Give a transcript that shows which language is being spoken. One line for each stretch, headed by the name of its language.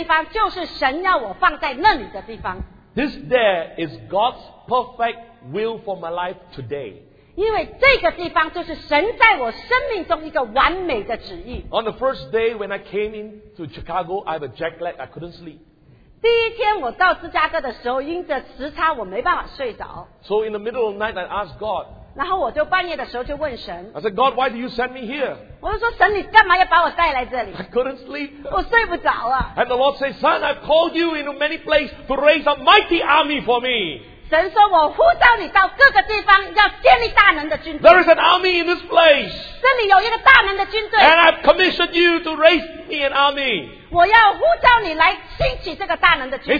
Chinese: 因为我知道这个地方就是神要我放在那里的地方。
English: This there is God's perfect will for my life today.
Chinese: 因为这个地方就是神在我生命中一个完美的旨意。
English: On the first day when I came into Chicago, I have a jet lag, I couldn't sleep.
Chinese: 第一天我到芝加哥的时候, 因着时差, 我没办法睡着。
English: So in the middle of the night, I asked God.
Chinese: 然后我就半夜的时候就问神。
English: I said, God, why do you send me here?
Chinese: 我就说神你干嘛要把我带来这里?
English: I couldn't sleep.
Chinese: 我睡不着了。
English: And the Lord said, Son, I've called you into many places to raise a mighty army for me.
Chinese: 神说我呼召你到各个地方要建立大能的军队。
English: There is an army in this place.
Chinese: 这里有一个大能的军队。
English: And I've commissioned you to raise me an army.
Chinese: 我要呼召你来兴起这个大能的军队。